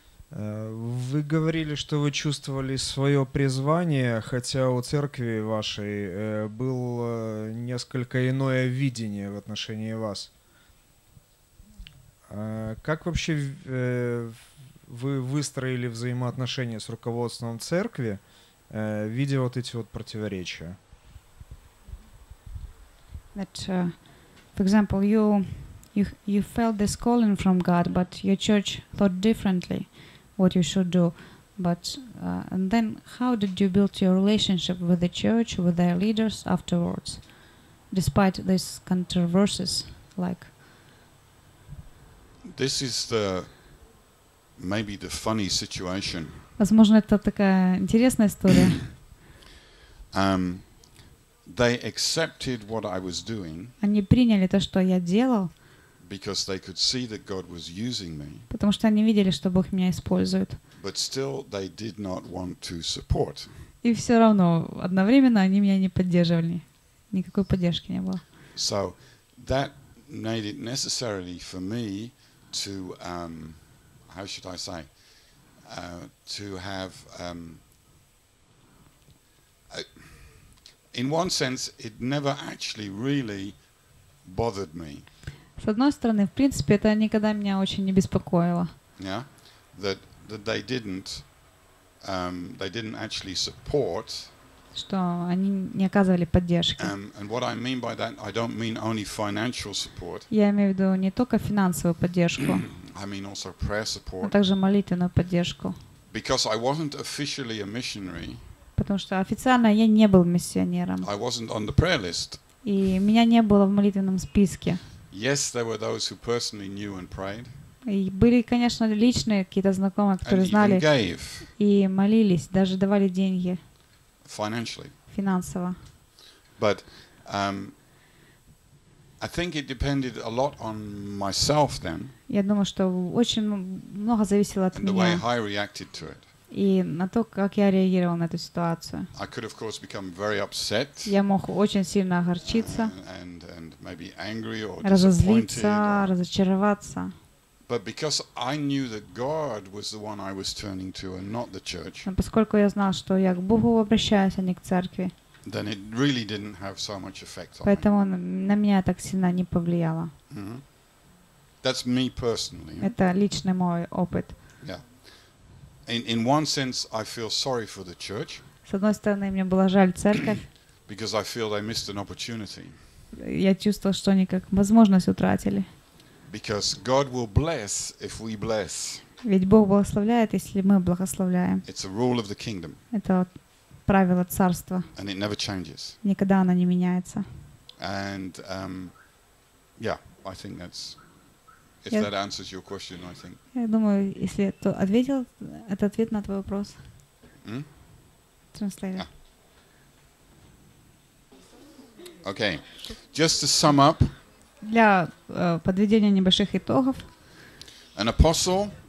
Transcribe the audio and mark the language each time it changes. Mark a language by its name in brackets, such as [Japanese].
[Russian] Вы говорили, что вы чувствовали свое призвание, хотя у церкви вашей было несколько иное видение в отношении вас. Как вообще вы выстроили взаимоотношения с руководством церкви, видя вот эти вот противоречия? [English] That, for example, you felt this calling from God, but your church thought differently. What you should do. But then, how did you build your relationship with the church, with their leaders afterwards, despite these controversies? Like, this is the maybe the funny situation. [Russian] Возможно, это такая интересная история. [English] They accepted what I was doing. [Russian] Они приняли то, что я делал. [English] Because they could see that God was using me. [Russian] Потому что они видели, что Бог меня использует. [English] But still, they did not want to support. [Russian] И все равно одновременно они меня не поддерживали, никакой поддержки не было. [English] So that made it necessary for me to, how should I say, to have. In one sense, it never actually really bothered me. [Russian] С одной стороны, в принципе, это никогда меня очень не беспокоило. [English] Yeah, that they didn't actually support. [Russian] Что они не оказывали поддержки. [English] And what I mean by that, I don't mean only financial support. [Russian] Я имею в виду не только финансовую поддержку. [English] I mean also prayer support. [Russian] А также молитвенную поддержку. [English] Because I wasn't officially a missionary. [Russian] Потому что официально я не был миссионером. [English] I wasn't on the prayer list. [Russian] И меня не было в молитвенном списке. [English] Yes, there were those who personally knew and prayed. [Russian] И были, конечно, личные какие-то знакомые, которые знали и молились, даже давали деньги. [English] Financially. [Russian] Финансово. [English] But I think it depended a lot on myself then. [Russian] Я думаю, что очень много зависело от меня. [English] And the way I reacted to it. [Russian] И на то, как я реагировал на эту ситуацию. [English] I could, of course, become very upset. [Russian] Я мог очень сильно огорчиться. [English] And maybe angry or [Russian] разозлиться, разочароваться. [English] But because I knew that God was the one I was turning to and not the church. [Russian] Но поскольку я знал, что я к Богу обращаюсь, а не к церкви. [English] Then it really didn't have so much effect on. [Russian] Поэтому на меня так сильно не повлияло. [English] Mm-hmm. That's me personally. [Russian] Это личный мой опыт. [English] Yeah. In one sense I feel sorry for the church. [Russian] С одной стороны, мне было жаль церковь. [English] Because I feel they missed an opportunity. [Russian] Я чувствовал, что они как возможность утратили. [English] Because God will bless if we bless. [Russian] Ведь Бог благословляет, если мы благословляем. [English] It's a rule of the kingdom. [Russian] Это правило царства. [English] And it never changes. [Russian] Никогда оно не меняется. [English] And yeah, I think that's if that answers your question, I think. [Russian] Я думаю, если это ответил, это ответ на твой вопрос. [English] Translator. Okay. Just to sum up. [Russian] Для подведения небольших итогов. [English] An apostle.